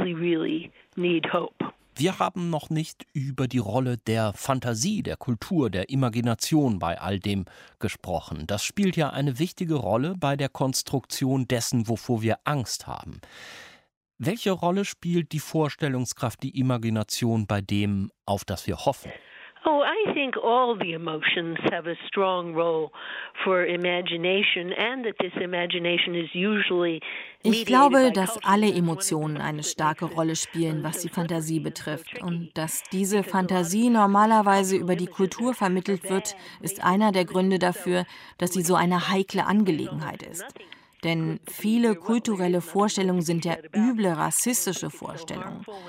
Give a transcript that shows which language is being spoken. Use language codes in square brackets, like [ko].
[de] Wir haben noch nicht über die Rolle der Fantasie, der Kultur, der Imagination bei all dem gesprochen. Das spielt ja eine wichtige Rolle bei der Konstruktion dessen, wovor wir Angst haben. Welche Rolle spielt die Vorstellungskraft, die Imagination bei dem, auf das wir hoffen? [en] Oh, I think all the emotions have a strong role for imagination and that this imagination is usually [de] Ich glaube, dass alle Emotionen eine starke Rolle spielen, was die Fantasie betrifft. Und dass diese Fantasie normalerweise über die Kultur vermittelt wird, ist einer der Gründe dafür, dass sie so eine heikle Angelegenheit ist. Denn viele kulturelle Vorstellungen sind ja üble rassistische Vorstellungen.